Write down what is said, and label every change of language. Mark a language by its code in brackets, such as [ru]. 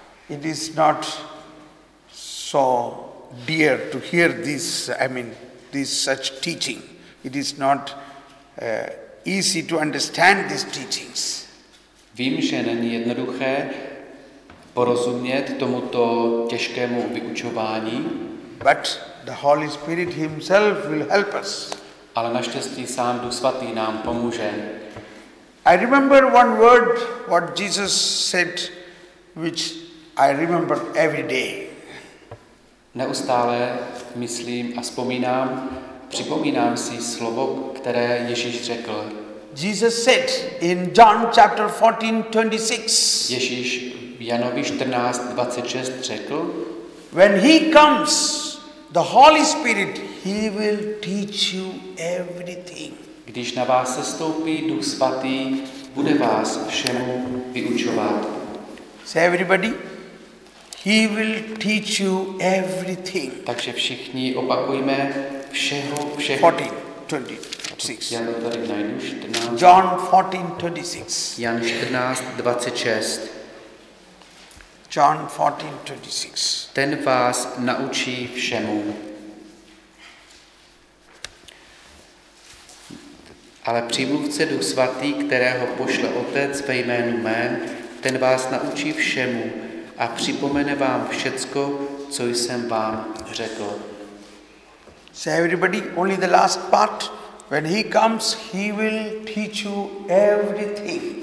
[en] It is not so dear to hear this, this such teaching. It is not easy to understand these teachings. [cs] Vím, že není jednoduché porozumět tomuto těžkému vyučování. [en] But the Holy Spirit himself will help us. [cs] Ale naštěstí sám Duch svatý nám pomůže. [en] I remember one word what Jesus said, which I remember every day. [cs] Neustále myslím a připomínám si slovo, které Ježíš řekl. [en] Jesus said in John chapter 14:26. [cs] Ježíš v Janovi 14:26 řekl: [en] When he comes, the Holy Spirit, he will teach you everything. [cs] Když na vás sestoupí Duch svatý, bude vás všemu vyučovat. [en] Say everybody. He will teach you everything. [cs] Takže všichni opakujme všeho, všechno. [en] 14:26. John 14:26. [cs] Jan 14:26. [en] John 14:26. [cs] Ten vás naučí všemu. Ale přímluvce Duch svatý, kterého pošle Otec ve jménu mém, ten vás naučí všemu a připomene vám všecko, co jsem vám řekl. [en] So everybody, only the last part. When he comes, he will teach you everything.